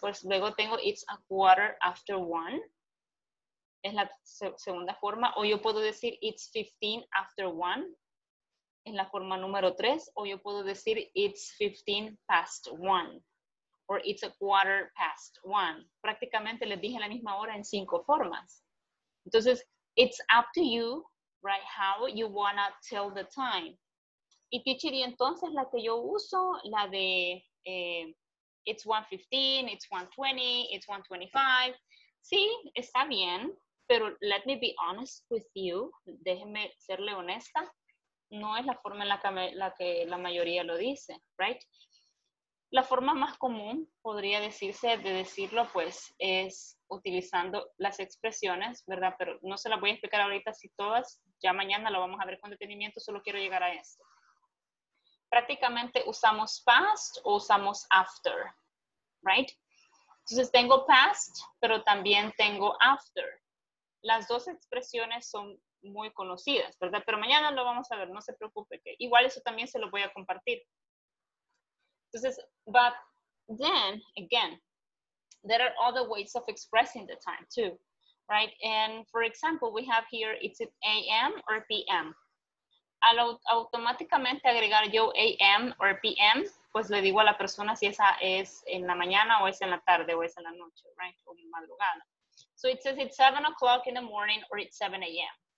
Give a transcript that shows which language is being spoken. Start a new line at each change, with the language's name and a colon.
Spanish: Pues luego tengo
English: it's 1:15.
Spanish: Es la segunda forma. O yo puedo decir
English: it's 1:15.
Spanish: Es la forma número 3. O yo puedo decir
English: it's 1:15. Or it's 1:15.
Spanish: Prácticamente les dije la misma hora en 5 formas.
English: Entonces, it's up to you, right, how you wanna tell the time.
Spanish: Y teacher, y entonces la que yo uso, la de
English: it's 1:15, it's 1:20, it's 1:25.
Spanish: Sí, está bien, pero
English: let me be honest with you,
Spanish: déjeme serle honesta, no es la forma en la que la mayoría lo dice, right? La forma más común podría decirse de decirlo, pues, es utilizando las expresiones, ¿verdad? Pero no se las voy a explicar ahorita si todas, ya mañana lo vamos a ver con detenimiento, solo quiero llegar a esto. Prácticamente usamos past o usamos after, right? Entonces tengo past, pero también tengo after. Las dos expresiones son muy conocidas, ¿verdad? Pero mañana lo vamos a ver, no se preocupe, que igual eso también se lo voy a compartir.
English: Entonces, but then, again, there are other ways of expressing the time too, right? And for example, we have here, it's a.m. or p.m.
Spanish: Al automáticamente agregar yo a.m.
English: or p.m.,
Spanish: pues le digo a la persona si esa es en la mañana o es en la tarde o es en la noche, right? O en madrugada.
English: So it says it's 7 o'clock in the morning or it's 7 a.m.